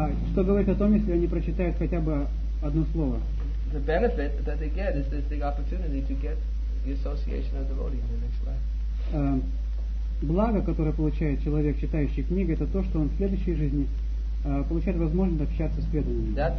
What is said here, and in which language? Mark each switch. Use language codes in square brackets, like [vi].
[ru] Что говорит о том, если они прочитают хотя бы одно слово? [en] the benefit that they get is this, the opportunity to get the association of devotees in the next life. [ru] Благо, которое получает человек, читающий книги, это то, что он в следующей жизни получает возможность общаться с преданными.